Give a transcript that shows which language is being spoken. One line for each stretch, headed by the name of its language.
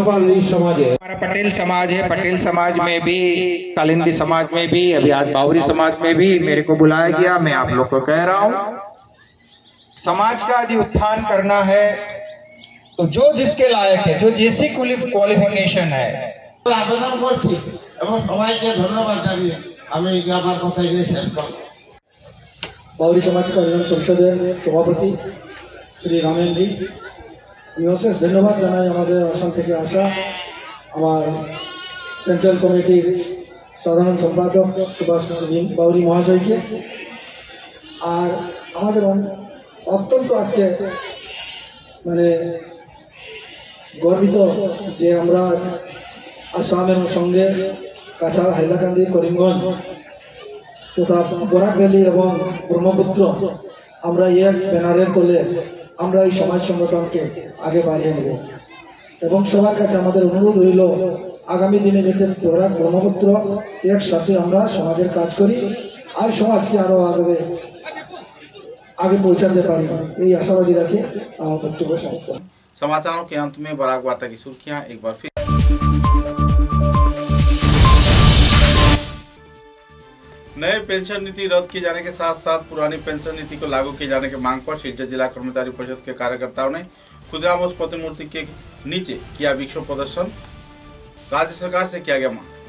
Hindi: पटेल समाज है, पटेल समाज में भी, कालिंदी समाज में भी, अभी आज बावरी समाज में भी मेरे को बुलाया गया। मैं आप लोग को कह रहा हूँ, समाज का यदि उत्थान करना है तो जो जिसके लायक है, जो जैसी क्वालिफिकेशन है, आवेदन करती एवं समाज के धन्यवाद जानिए। बावरी समाज का संसद सभापति श्री रामेन जी
Bangla: অশেষ ধন্যবাদ জানাই আমাদের আসাম থেকে আসা আমার সেন্ট্রাল কমিটির সাধারণ সম্পাদক সুভাষ সিং বাউরি মহাশয়কে, আর আমাদের অত্যন্ত আজকে মানে গর্বিত যে আমরা আসামের সঙ্গে কাছাড় হাইলাকান্দি করিমগঞ্জ তথা বরাক ভ্যালি এবং ব্রহ্মপুত্র আমরা এক ব্যানারের তলে আমরা এই সমাজ সংগঠনকে আগে বাড়িয়ে নেব। এবং সবার কাছে আমাদের অনুরোধ রইল আগামী দিনে যাতে বরাক ব্রহ্মপুত্র একসাথে আমরা সমাজের কাজ করি আর সমাজকে আরও আগে আগে পৌঁছাতে পারি, এই আশাবাদী রাখি আমার বক্তব্য সমাপ্ত।
Hindi: সমাচার কে অন্ত মে বরাক বার্তা কি সুরখিয়া একবার ফির नए पेंशन नीति रद्द किए जाने के साथ साथ पुरानी पेंशन नीति को लागू किए जाने के मांग पर सिलचर जिला कर्मचारी परिषद के कार्यकर्ताओं ने खुदरा बोस प्रतिमूर्ति के नीचे किया विक्षोभ प्रदर्शन, राज्य सरकार से किया गया मांग।